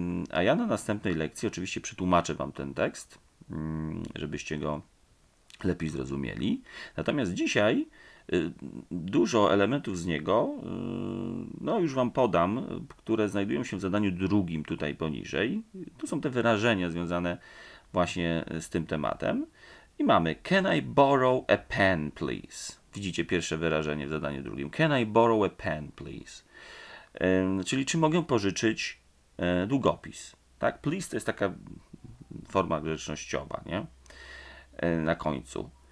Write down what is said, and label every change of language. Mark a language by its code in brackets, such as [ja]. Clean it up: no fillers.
[pl] A ja na następnej lekcji oczywiście przetłumaczę Wam ten tekst, żebyście go lepiej zrozumieli. Natomiast dzisiaj dużo elementów z niego no już Wam podam, które znajdują się w zadaniu drugim tutaj poniżej. Tu są te wyrażenia związane właśnie z tym tematem. I mamy, [en] can I borrow a pen, please? [pl] Widzicie pierwsze wyrażenie w zadaniu drugim. [en] Can I borrow a pen, please? [pl] Czyli czy mogę pożyczyć długopis? Tak, please to jest taka forma grzecznościowa, nie? Na końcu.